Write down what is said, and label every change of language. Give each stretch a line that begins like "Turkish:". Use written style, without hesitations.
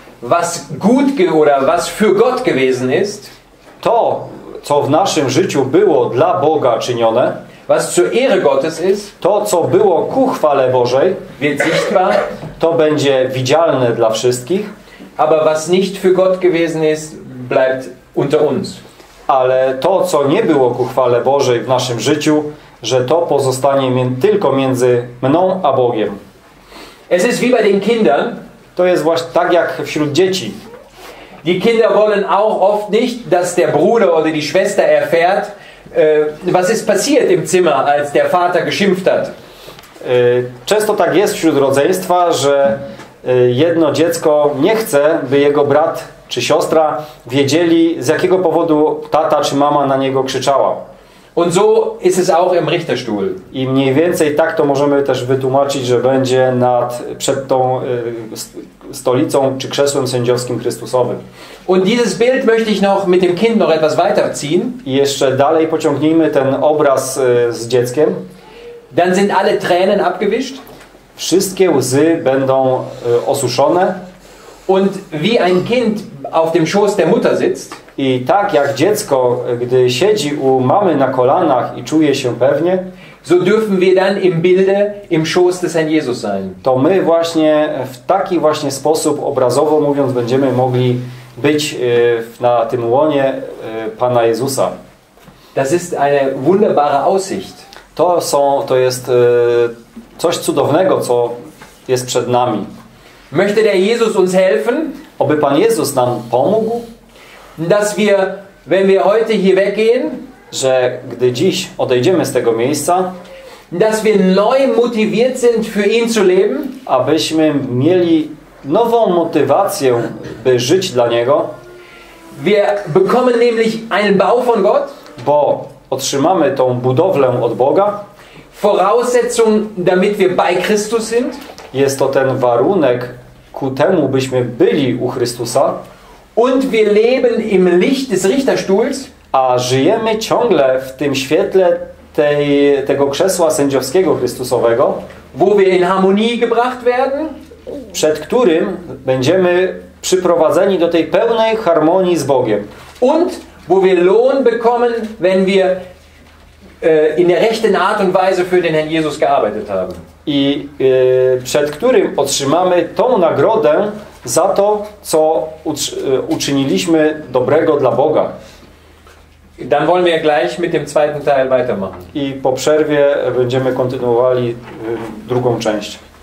German: was gut oder was für Gott gewesen ist,
Polish: to, co w naszym życiu było dla Boga czynione,
German: was zur Ehre Gottes ist,
Polish: to, co było ku chwale Bożej,
German: wird sichtbar,
Polish: to będzie widzialne dla wszystkich,
German: aber was nicht für Gott gewesen ist, bleibt unter uns.
Polish: Ale to, co nie było ku chwale Bożej w naszym życiu, że to pozostanie tylko między mną a Bogiem.
German: Es ist wie bei den Kindern.
Polish: To jest właśnie tak jak wśród dzieci.
German: Die Kinder wollen auch oft nicht, dass der Bruder oder die Schwester erfährt, was ist passiert im Zimmer, als der Vater geschimpft hat.
Polish: Często tak jest wśród rodzeństwa, że jedno dziecko nie chce, by jego brat czy siostra wiedzieli, z jakiego powodu tata czy mama na niego krzyczała.
German: Und so ist es auch im Richterstuhl.
Polish: I mniej więcej tak to możemy też wytłumaczyć, że będzie nad przed tą stolicą czy krzesłem sędziowskim Chrystusowym.
German: Und dieses Bild möchte ich noch mit dem Kind noch etwas weiterziehen.
Polish: I jeszcze dalej pociągnijmy ten obraz z dzieckiem.
German: Dann sind alle Tränen abgewischt.
Polish: Wszystkie łzy będą osuszone.
German: Und wie ein Kind auf dem Schoß der Mutter sitzt.
Polish: I tak jak dziecko, gdy siedzi u mamy na kolanach i czuje się pewnie,
German: so dürfen wir dann im Bilde im Schoß des Herrn Jesus sein.
Polish: To my właśnie w taki właśnie sposób, obrazowo mówiąc, będziemy mogli być na tym łonie Pana Jezusa.
German: Das ist eine wunderbare Aussicht.
Polish: To jest coś cudownego, co jest przed nami.
German: Möchte der Jesus uns helfen?
Polish: Oby Pan Jezus nam pomógł,
German: dass wir, wenn wir heute hier weggehen,
Polish: że gdy dziś odejdziemy z tego miejsca,
German: dass wir neu motiviert sind für ihn zu leben,
Polish: abyśmy mieli nową motywację, by żyć dla Niego.
German: Wir bekommen nämlich einen Bau von Gott,
Polish: bo otrzymamy tą budowlę od Boga.
German: Voraussetzung, damit wir bei Christus sind.
Polish: Jest to ten warunek ku temu, byśmy byli u Chrystusa.
German: Und wir leben im Licht des Richterstuhls.
Polish: A żyjemy ciągle w tym świetle tego krzesła sędziowskiego Chrystusowego.
German: Wo wir in Harmonie gebracht werden.
Polish: Przed którym będziemy przyprowadzeni do tej pełnej harmonii z Bogiem.
German: Und wo wir Lohn bekommen, wenn wir in der rechten Art und Weise für den Herrn Jesus gearbeitet haben.
Polish: I przed którym otrzymamy tą nagrodę za to, co uczyniliśmy dobrego dla Boga.
German: Dann wollen wir gleich mit dem zweiten Teil weitermachen.
Polish: I po przerwie będziemy kontynuowali drugą część.